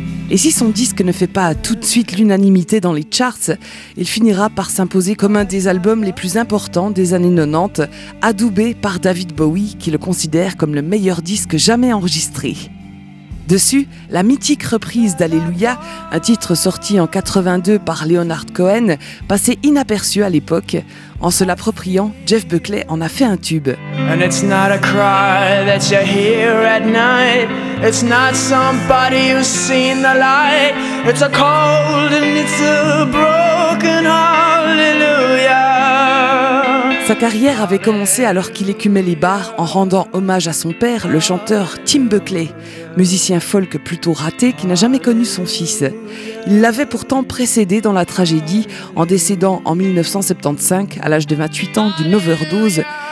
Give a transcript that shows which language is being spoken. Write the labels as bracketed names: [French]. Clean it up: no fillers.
[French] Et si son disque ne fait pas tout de suite l'unanimité dans les charts, il finira par s'imposer comme un des albums les plus importants des années 90, adoubé par David Bowie, qui le considère comme le meilleur disque jamais enregistré. Dessus, la mythique reprise d'Alléluia, un titre sorti en 82 par Leonard Cohen, passait inaperçu à l'époque. En se l'appropriant, Jeff Buckley en a fait un tube. [English] And it's not a cry that you hear at night. It's not somebody who's seen the light. It's a cold and it's a broken Alléluia. [French] Sa carrière avait commencé alors qu'il écumait les bars en rendant hommage à son père, le chanteur Tim Buckley, musicien folk plutôt raté qui n'a jamais connu son fils. Il l'avait pourtant précédé dans la tragédie en décédant en 1975 à l'âge de 28 ans d'une overdose.